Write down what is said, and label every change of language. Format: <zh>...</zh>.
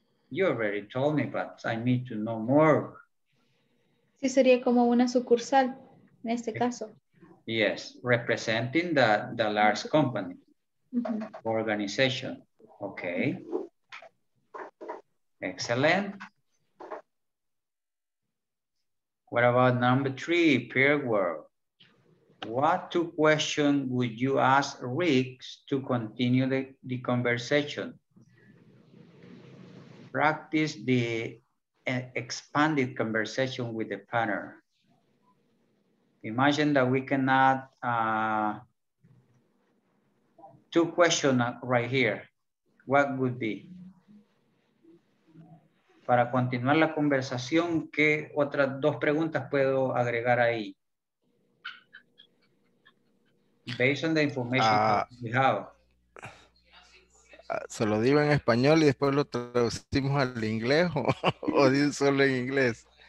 <en>You already told me, but I need to know more.</en> <es>Sí, sería como una sucursal, en este caso.</es> <en>Yes, representing the large company, organization. Okay. Excellent. What about number 3, peer work? What 2 questions would you ask Rick to continue the conversation? Practice the expanded conversation with the partner. Imagine that we can add 2 questions right here. What would be?</en> <es>Para continuar la conversación, ¿qué otras 2 preguntas puedo agregar ahí?</es> <en>Based on the information we have.</en> <es>¿Se lo digo en español y después lo traducimos al inglés o digo solo en inglés?</es>